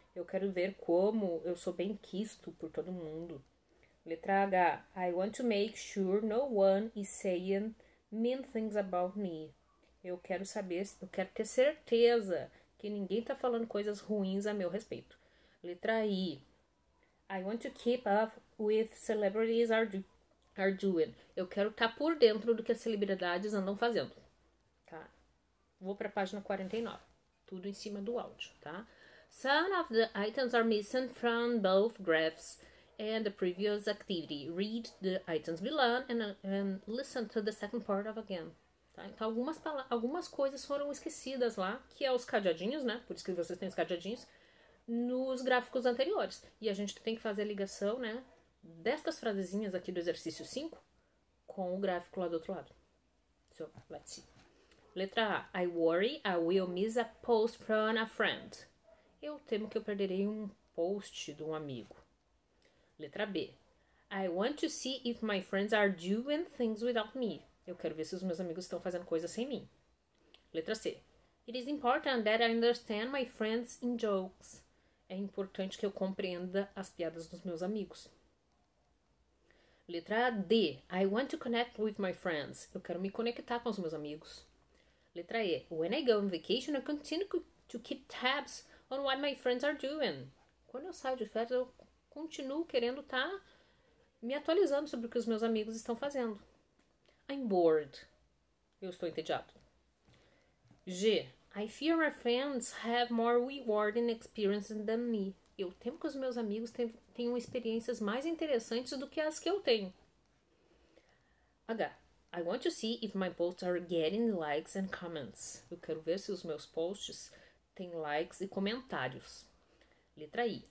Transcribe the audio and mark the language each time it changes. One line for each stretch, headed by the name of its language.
Portuguese: Eu quero ver como eu sou bem quisto por todo mundo. Letra H.
English: I want to make sure no one is saying mean things about me.
Portuguese: Eu quero saber, eu quero ter certeza que ninguém tá falando coisas ruins a meu respeito. Letra I.
English: I want to keep up with celebrities are doing.
Portuguese: Eu quero estar por dentro do que as celebridades andam fazendo. Tá? Vou para a página 49. Tudo em cima do áudio, tá?
English: Some of the items are missing from both graphs and the previous activity. Read the items below and listen to the second part of again.
Portuguese: Tá? Então, algumas coisas foram esquecidas lá, que é os cadeadinhos, né? Por isso que vocês têm os cadeadinhos, nos gráficos anteriores. E a gente tem que fazer a ligação, né, destas frasezinhas aqui do exercício 5 com o gráfico lá do outro lado.
English: So, let's see.
Portuguese: Letra A.
English: I worry I will miss a post from a friend.
Portuguese: Eu temo que eu perderei um post de um amigo. Letra B.
English: I want to see if my friends are doing things without me.
Portuguese: Eu quero ver se os meus amigos estão fazendo coisas sem mim. Letra C.
English: It is important that I understand my friends in jokes.
Portuguese: É importante que eu compreenda as piadas dos meus amigos. Letra D.
English: I want to connect with my friends.
Portuguese: Eu quero me conectar com os meus amigos. Letra E.
English: When I go on vacation, I continue to keep tabs on what my friends are doing.
Portuguese: Quando eu saio de férias, eu continuo querendo estar me atualizando sobre o que os meus amigos estão fazendo.
English: I'm bored.
Portuguese: Eu estou entediado. G.
English: I fear my friends have more rewarding experiences than me.
Portuguese: Eu temo que os meus amigos tenham experiências mais interessantes do que as que eu tenho. H.
English: I want to see if my posts are getting likes and comments.
Portuguese: Eu quero ver se os meus posts têm likes e comentários. Letra I.